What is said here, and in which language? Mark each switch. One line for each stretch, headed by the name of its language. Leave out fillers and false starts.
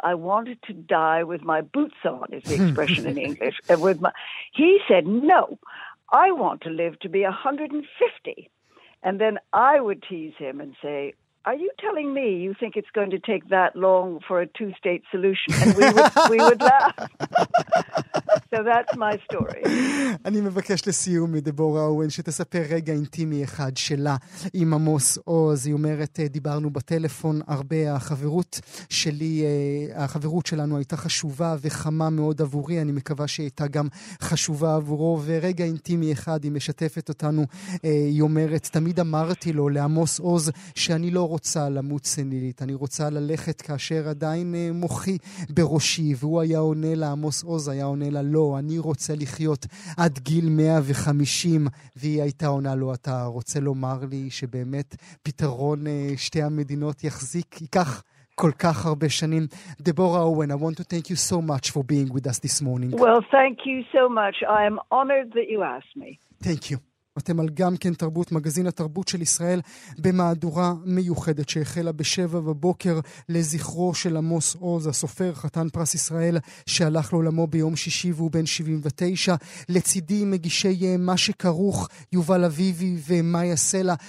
English: I wanted to die with my boots on, is the expression in English. He said, no, I want to live to be 150. And then I would tease him and say, are you telling me you think it's going to take that long for a two-state solution? And we would laugh. So that's my story.
Hebrew: אני מבקש לסיום מדבורה אוהן שתספר רגע אינטימי אחד שלה עם עמוס עוז. היא אומרת, דיברנו בטלפון הרבה, החברות שלי, החברות שלנו הייתה חשובה וחמה מאוד עבורי, אני מקווה שהיא הייתה גם חשובה עבורו, ורגע אינטימי אחד היא משתפת אותנו, היא אומרת, תמיד אמרתי לו, לעמוס עוז, שאני לא רוצה למות סנילית, אני רוצה ללכת כאשר עדיין מוחי בראשי, והוא היה עונה לה, עמוס עוז היה עונה לה, לא, אני רוצה לחיות עד גיל 150, והיא הייתה עונה לו, אתה רוצה לומר לי שבאמת פתרון שתי המדינות יחזיק, ייקח כל כך הרבה שנים.
English: דבורה אוהן, I want to thank you so much for being with us this morning. Well, thank you so much. I am honored that you asked me. Thank you.
Hebrew: אתם על גם כן תרבות, מגזין התרבות של ישראל, במהדורה מיוחדת שהחלה בשבע בבוקר לזכרו של עמוס עוז, הסופר חתן פרס ישראל, שהלך לעולמו ביום שישי והוא בן 79. לצידי מגישי מה שכרוך, יובל אביבי ומאיה סלע.